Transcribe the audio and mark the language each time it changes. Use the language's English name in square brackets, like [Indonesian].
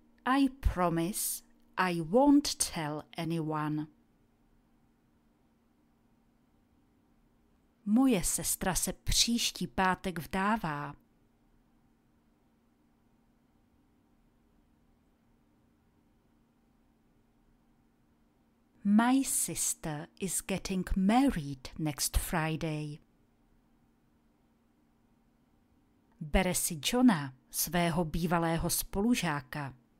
[English] I promise I won't tell anyone. [Czech] Moje sestra se příští pátek vdává. [English] My sister is getting married next Friday. [Czech] Bere si Johna, svého bývalého spolužáka.